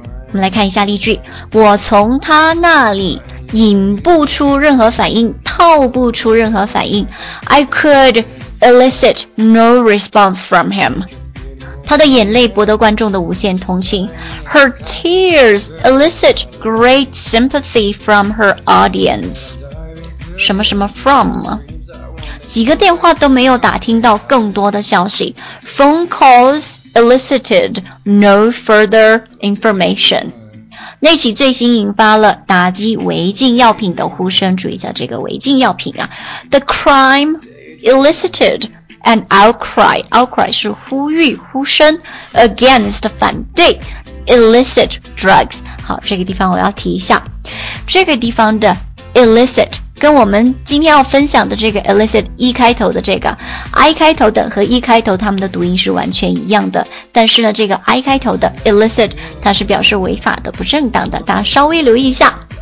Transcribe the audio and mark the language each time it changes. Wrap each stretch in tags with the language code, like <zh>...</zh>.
<zh>我们来看一下例句，我从他那里引不出任何反应，套不出任何反应。</zh> <en>I could elicit no response from him，</en> <zh>他的眼泪博得观众的无限同情。</zh> <en>Her tears elicit great sympathy from her audience，</en> <zh>什么什么 from， 几个电话都没有打听到更多的消息。</zh> <en>Phone calls elicited no further information，</en> <zh>那起最新引发了打击违禁药品的呼声，注意一下这个违禁药品啊。</zh> <en>The crime elicited an outcry. Outcry</en> <zh>是呼吁呼声</zh> <en>against</en> <zh>反对</zh> <en>illicit drugs.</en> <zh>好，这个地方我要提一下，这个地方的 illicit跟我们今天要分享的这个 illicit 一开头的这个 I 开头的和 E 开头他们的读音是完全一样的，但是呢这个 I 开头的 illicit 它是表示违法的不正当的，大家稍微留意一下。</zh>